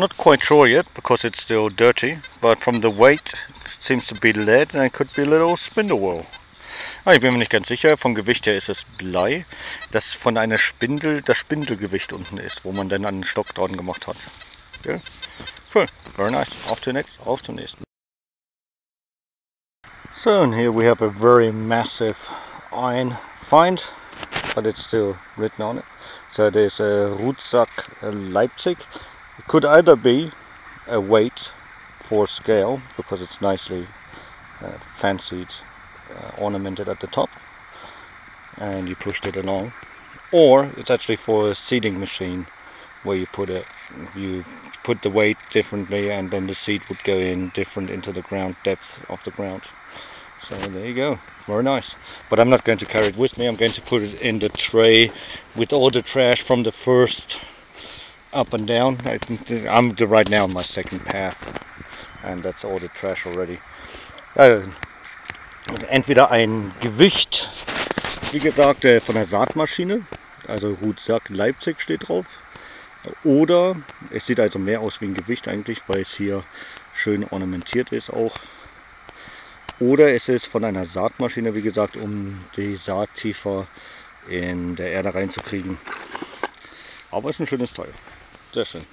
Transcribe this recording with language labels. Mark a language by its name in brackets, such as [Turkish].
[English] Not quite sure yet because it's still dirty, but from the weight it seems to be lead and it could be a little spindle wool. [German] Ah, ich bin mir nicht ganz sicher, vom Gewicht her ist es Blei, das von einer Spindel das Spindelgewicht unten ist, wo man dann einen Stock dran gemacht hat. Okay. [English] Cool, very nice. [German] Auf zum nächsten. Auf zum nächsten. [English] So, and here we have a very massive iron find. But it's still written on it. So there's a Rutsack Leipzig. It could either be a weight for scale because it's nicely fancied, ornamented at the top, and you pushed it along, or it's actually for a seeding machine where you put it, you put the weight differently, and then the seed would go in different into the ground depth of the ground. So there you go, very nice. But I'm not going to carry it with me, I'm going to put it in the tray with all the trash from the first up and down. I think I'm right now on my second path, and that's all the trash already. [German] Entweder ein Gewicht, wie gesagt, von der Saatmaschine, also Rucksack Leipzig steht drauf. Oder, es sieht also mehr aus wie ein Gewicht eigentlich, weil es hier schön ornamentiert ist auch. Oder es ist von einer Saatmaschine, wie gesagt, um die Saat tiefer in der Erde reinzukriegen. Aber es ist ein schönes Teil. Sehr schön.